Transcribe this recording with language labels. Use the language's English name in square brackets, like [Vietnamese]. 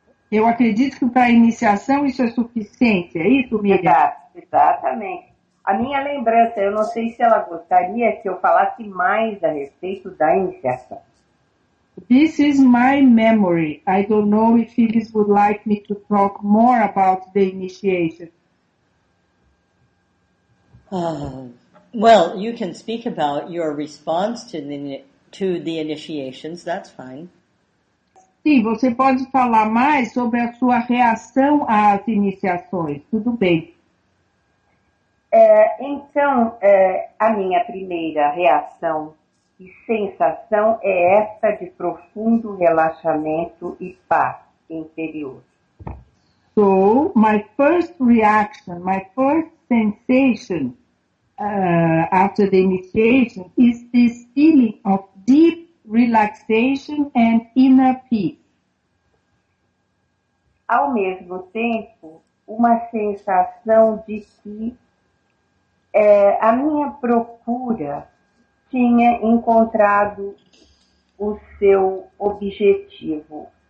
[Portuguese] Eu acredito que para a iniciação isso é suficiente, é isso, Miriam? Exatamente. A minha lembrança, eu não sei se ela gostaria que eu falasse mais a respeito da iniciação. [English] This is my memory. I don't know if Phyllis would like me to talk more about the initiation. Well, you can speak about your response to the initiations. That's fine. [Portuguese] Sim, você pode falar mais sobre a sua reação às iniciações. Tudo bem. Então, a minha primeira reação e sensação é essa de profundo relaxamento e paz interior. [English] So, my first reaction, my first sensation after the initiation is this feeling of deep relaxation and inner peace. [Portuguese] Ao mesmo tempo, uma sensação de que a minha procura tinha encontrado o seu objetivo.